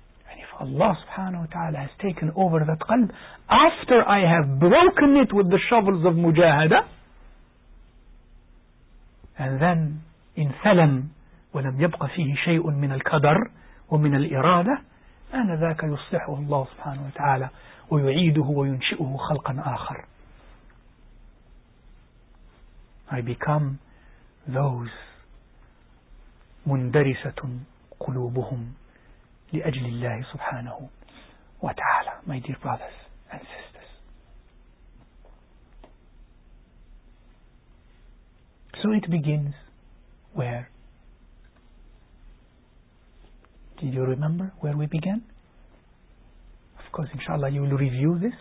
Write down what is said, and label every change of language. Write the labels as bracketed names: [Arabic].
[English] And if Allah subhanahu wa ta'ala has taken over that qalb after I have broken it with the shovels of mujahada, and then in thalam [Arabic] وَلَمْ يَبْقَ فِيهِ شَيْءٌ مِنَ الْقَدَرِ ومن الإرادة أنا ذاك يصلحه الله سبحانه وتعالى ويعيده وينشئه خلقا آخر. [English] I become those [Arabic] مندرسة قلوبهم لأجل الله سبحانه وتعالى. [English] My dear brothers and sisters, so it begins where? Did you remember where we began? Of course, inshallah, you will review this.